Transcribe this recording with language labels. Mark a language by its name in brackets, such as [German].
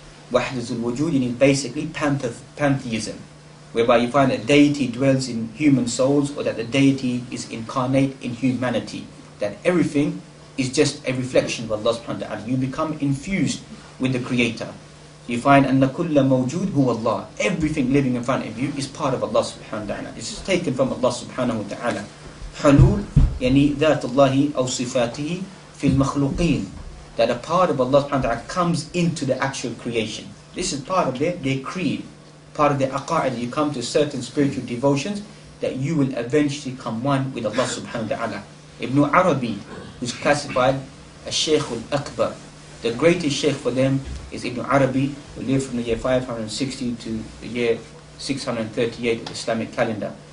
[English] Wahdatul Wujud, you mean basically pantheism, whereby you find that deity dwells in human souls, or that the deity is incarnate in humanity. That everything is just a reflection of Allah subhanahu wa ta'ala. You become infused with the Creator. You find [Arabic] أن كل موجود هو الله. [English] Everything living in front of you is part of Allah subhanahu wa ta'ala. This is taken from Allah subhanahu wa ta'ala. [Arabic] حلول يعني ذات الله أو صفاته في المخلوقين. [English] That a part of Allah subhanahu wa ta'ala comes into the actual creation. This is part of their creed, part of their aqa'id. You come to certain spiritual devotions that you will eventually come one with Allah subhanahu wa ta'ala. Ibn Arabi, who's classified as Sheikh al-Akbar, the greatest sheikh for them is Ibn Arabi, who lived from the year 560 to the year 638 of the Islamic calendar.